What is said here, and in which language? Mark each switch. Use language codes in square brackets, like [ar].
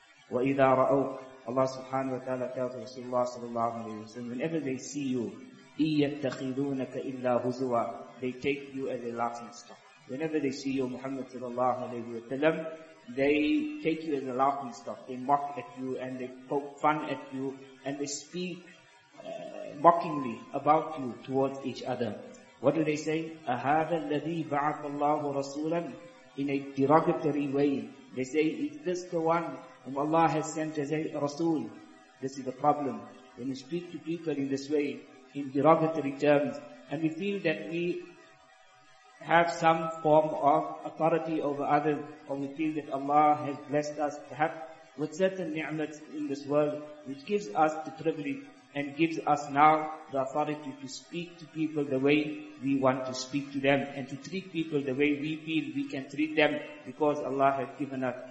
[ar] وَإِذَا رَأَوْكَ, [en] Allah subhanahu wa ta'ala tells Rasulullah sallallahu alayhi wa sallam, whenever they see you, [ar] إِيَّتَّخِذُونَكَ إِلَّا هُزُوَى, [en] they take you as a laughing stock. Whenever they see you, Muhammad sallallahu alayhi wa sallam, they take you as a laughing stock. They mock at you and they poke fun at you and they speak mockingly about you towards each other. What do they say? [ar] أَهَذَا الَّذِي بَعَثَ اللَّهُ رَسُولًا, [en] in a derogatory way. They say, is this the one whom Allah has sent as a Rasul? This is the problem. When you speak to people in this way, in derogatory terms, and we feel that we have some form of authority over others, or we feel that Allah has blessed us perhaps with certain ni'mats in this world, which gives us the privilege and gives us now the authority to speak to people the way we want to speak to them, and to treat people the way we feel we can treat them, because Allah has given us